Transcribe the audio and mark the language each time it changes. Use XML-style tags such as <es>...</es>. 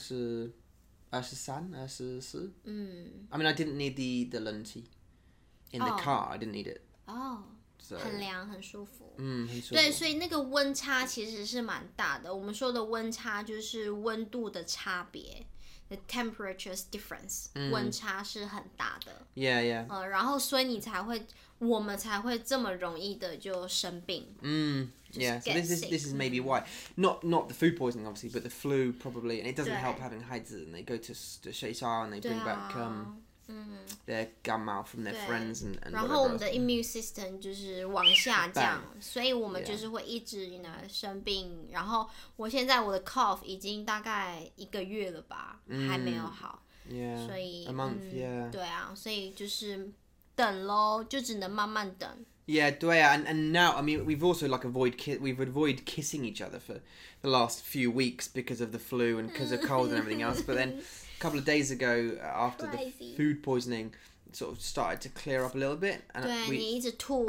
<zh>但是晚上更冷。那早上是二十三、二十四。</zh> <en>I mean, I didn't need the 冷气 in the car. I didn't need it. So, 很涼, the temperature's difference.</en> <zh>温差是很大的。</zh> <en>Yeah, yeah.</en> <zh>然后所以你才会，我们才会这么容易的就生病。</zh> <en>Yeah, so this is maybe why. Not the food poisoning, obviously, but the flu probably. And it doesn't help having 孩子, and they go to 学校, and they bring back their gamma from their friends and</en> <zh>然后我们的 immune system 就是往下降, 所以我们就是会一直 you know, 生病, 然后我现在我的 cough 已经大概一个月了吧, 还没有好,</zh> <en>a month, yeah.</en> <zh>对啊, 所以就是等咯, 就只能慢慢等。</zh> <en>Yeah, 对啊, and now, I mean, we've also like avoided kissing each other for the last few weeks because of the flu and because of cold and everything else, but then a couple of days ago, after the food poisoning sort of started to clear up a little bit, and 对,</en>